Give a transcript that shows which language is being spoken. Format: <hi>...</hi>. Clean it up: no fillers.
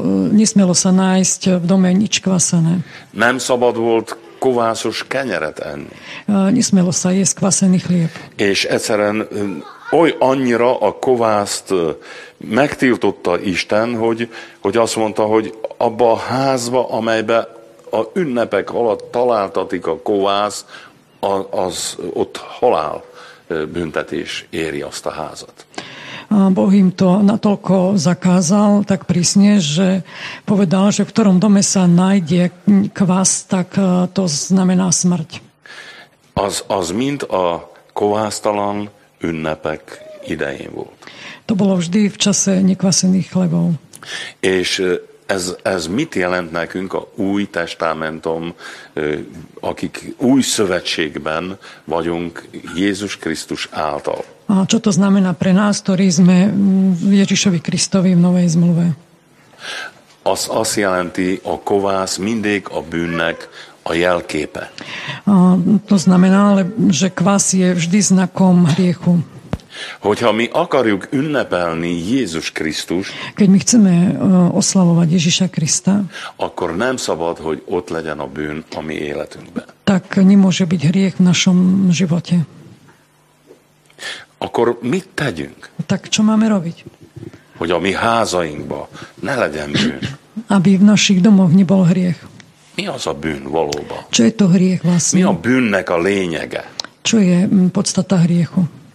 <sk>Nesmelo sa nájsť v dome nič kvasené.</sk> <hu>Nem szabad volt kovászos kenyeret enni.</hu> <sk>Nesmelo sa jesť kvasený chlieb.</sk> <hu>És egyszerűen oly annyira a kovászt megtiltotta Isten, hogy azt mondta, hogy abba a házba, amelybe a ünnepek alatt találtatik a kovász, az ott halál büntetés éri azt a házat.</hu> <sk>A Boh im to natoľko zakázal, tak prísne, že povedal, že v ktorom dome sa nájde kvás, tak to znamená smrť.</sk> <hu>Az mind a kovásztalan ünnepek idején volt.</hu> <sk>To bolo vždy v čase nekvasených chlebov.</sk> <hu>És ez mit jelent nekünk a új testamentum, akik új szövetségben vagyunk Jézus Krisztus által?</hu> <sk>A čo to znamená pre nás, ktorí sme v Ježišovi Kristovi v novej zmluve?</sk> <hu>Az azt jelenti, a kovász mindig a bűnnek a jelképe.</hu> <sk>To znamená, že kvás je vždy znakom hriechu.</sk> <hu>Hogyha mi akarjuk ünnepelni Jézus Krisztus,</hu> <sk>keď my chceme oslavovať Ježiša Krista,</sk> <hu>akkor nem szabad, hogy ott legyen a bűn a mi életünkben.</hu> <sk>Tak nemôže byť hriech v našom živote.</sk> <hu>Akkor mit tegyünk?</hu> <sk>Tak čo máme robiť?</sk> <hu>Hogy a mi házainkba ne legyen bűn.</hu> <sk>Aby v našich domoch nebol hriech.</sk> <hu>Mi az a bűn valóban?</hu> <sk>Čo je to hriech vlastne?</sk> <hu>Mi a bűnnek a lényege?</hu> <sk>Čo je podstata hriechu?</sk>